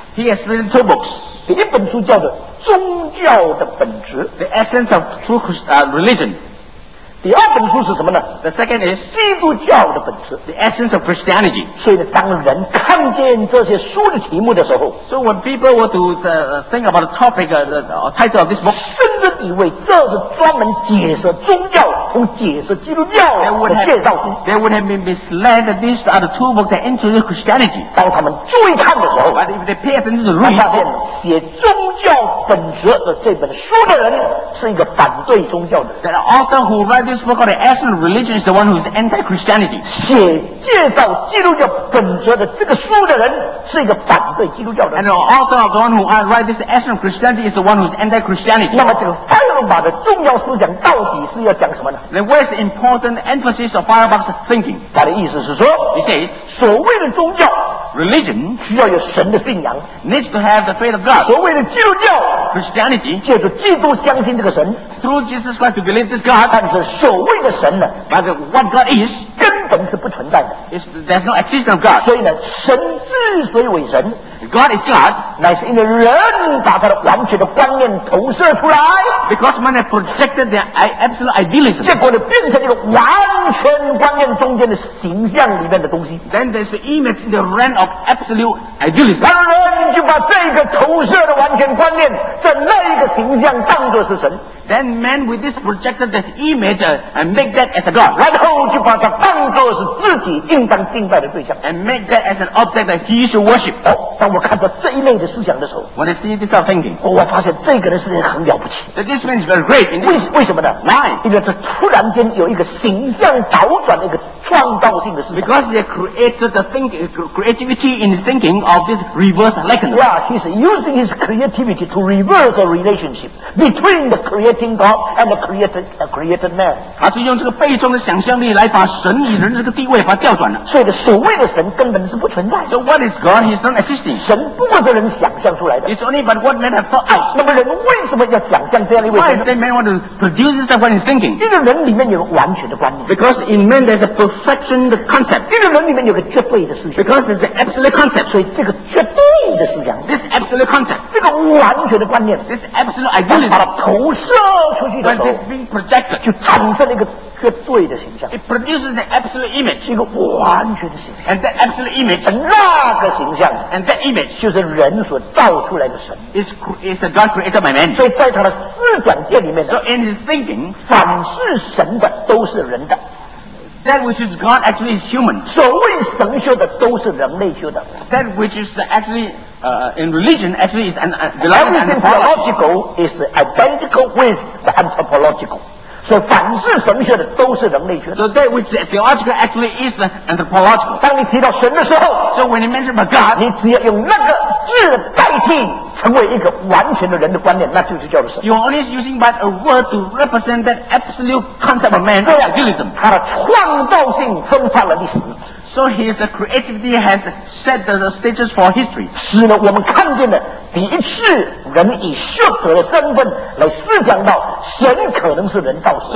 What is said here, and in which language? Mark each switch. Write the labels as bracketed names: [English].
[English] He has written two books. [Chinese] 第一本书叫做宗教的本质 [English] The essence of religion. [Chinese] 第二本书是什么呢 [English] The second is [Chinese] 基督教的本质 [English] The essence of Christianity. [Chinese] 所以呢当人看见这些书的题目的时候 [English] So when people were to think about the topic or the title of this book [Chinese] 甚至以为这是专门解释宗教和解释基督教的介绍书 [English] They would have been misled that these are the two books that introduce Christianity. [Chinese] 当他们注意看的时候 [English] But if they pay attention to read [Chinese] 他发现写宗教本质的这本书的人是一个反对宗教的人 [English] The author who read this book on the essence of religion is the one who is anti-Christianity. [Chinese] 写介绍基督教本质的这个书的人是一个反对基督教的人 [English] And the author of the one who read this essence of Christianity is the one who is anti-Christianity. [Chinese] 那么这个费尔巴的重要思想到底是要讲什么呢 [English] Then what is the important emphasis of Feuerbach's thinking? [Chinese] 他的意思是说 [English] He says [Chinese] 所谓的宗教 [English] Religion [Chinese] 需要有神的信仰 [English] Needs to have the faith of God. [Chinese] 所谓的基督教 [English] Christianity [Chinese] 借着基督相信这个神 [English] Through Jesus Christ to believe this God. [Chinese] 但是所谓的神呢 [English] But what God is [Chinese] 根本是不存在的 [English] There's no existence of God. [Chinese] 所以呢神之所以为神 [English] God is God. [Chinese] 乃是因为人把他的完全的观念投射出来 [English] Because man has projected their absolute idealism. [Chinese] 结果呢，变成一个完全观念中间的形象里面的东西。 [English] Then there's the image in the realm of absolute idealism. [Chinese] 当然，就把这个投射的完全观念，在那一个形象当作是神。 [English] Then man with this projected that image and make that as a god. [Chinese] 然后就把它当作是自己应当敬拜的对象。 [English] And make that as an object that he should worship. [Chinese] 哦，当我看到这一类的思想的时候 [English] ，When I see this of thinking, [Chinese] 我发现这个人是很了不起。 [English] That this man is very great. [Chinese] 为什么呢 [English] ？Why? [Chinese] 因为他突然间有一个形象倒转的一个创造性的思想。 [English] Because he created the creativity in his thinking of this reverse likeness. Yeah, he's using his creativity to reverse the relationship between the creator. And created man. [Chinese] 他是用这个背中的想象力来把神与人这个地位把它调转了。所以所谓的神根本是不存在。 [English] So what is God? He's not existing. [Chinese] 神不过是人想象出来的。 [English] It's only but what man have thought out. [Chinese] 那么人为什么要想象这样一位神呢 [English] ？Why does man want to produce this stuff when he's thinking? [Chinese] 因为人里面有完全的观念。 [English] Because in man there's a perfection the concept. [Chinese] 因为人里面有个绝对的思想。 [English] Because there's the absolute concept. [Chinese] 所以这个绝对的思想。 [English] This absolute concept. [Chinese] 这个完全的观念。 [English] This absolute idealism. [Chinese] 把它投射。出去的时候 projected, 就产生了一个绝对的形象 [English] It produces an absolute image [Chinese] 一个完全的形象 [English] And that absolute image [Chinese] 那个形象 [English] And that image [Chinese] 就是人所造出来的神 [English] is the God created by man [Chinese] 所以在他的思想界里面 [English] So in his thinking [Chinese] 凡是神的都是人的 [English] That which is God actually is human [Chinese] 所谓神修的都是人类修的 [English] That which is actuallyin religion actually is an everything theological is identical with the anthropological so [Chinese] 凡是神学的都是人类学的 [English] so that which is theological actually is anthropological [Chinese] 当你提到神的时候 [English] so when you mention about God [Chinese] 你只要用那个字代替成为一个完全的人的观念那就是叫做神 [English] you're only using but a word to represent that absolute concept of man idealism [Chinese] 它的创造性分化了历史 [English] So his creativity has set the stages for history. [Chinese] 使得我们看见的第一次人以学者的身份来思想到神可能是人造神。